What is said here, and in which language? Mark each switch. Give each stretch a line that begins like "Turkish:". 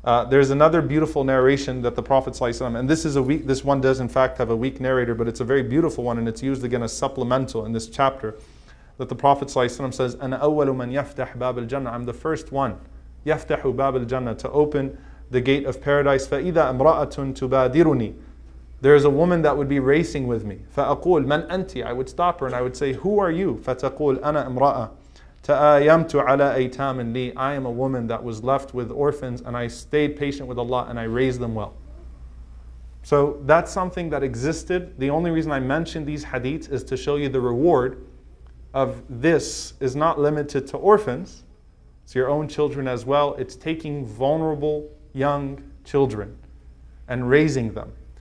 English: There's another beautiful narration that the Prophet ﷺ, and this one does in fact have a weak narrator, but it's a very beautiful one, and it's used again as supplemental in this chapter, that the Prophet ﷺ says,
Arabic: أنا أول من يفتح باب الجنة,
English: I'm the first one,
Arabic: يفتح باب الجنة,
English: to open the gate of paradise,
Arabic: فإذا امرأة تبادرني,
English: There is a woman that would be racing with me.
Arabic: فأقول من أنت؟
English: I would stop her and I would say, who are you?
Arabic: فتقول أنا امرأة تآيمت على أيتام لي.
English: I am a woman that was left with orphans and I stayed patient with Allah and I raised them well. So that's something that existed. The only reason I mention these hadiths is to show you the reward of this is not limited to orphans. It's your own children as well. It's taking vulnerable young children and raising them.